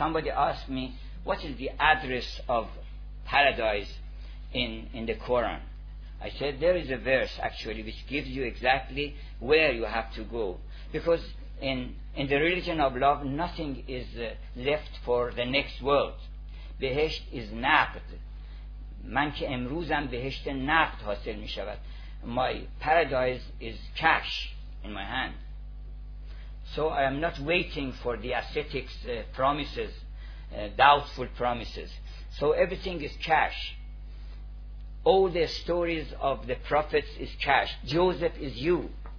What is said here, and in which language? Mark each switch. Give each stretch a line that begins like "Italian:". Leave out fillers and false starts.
English: Somebody asked me, what is the address of paradise in the Quran? I said, there is a verse actually which gives you exactly where you have to go. Because in the religion of love, nothing is left for the next world. Behesht is naqd.
Persian: من که امروزم بهشت نقد حاصل می شود.
English: My paradise is cash in my hand. So I am not waiting for the ascetics' promises, doubtful promises. So everything is cash. All the stories of the prophets is cash. Joseph is you.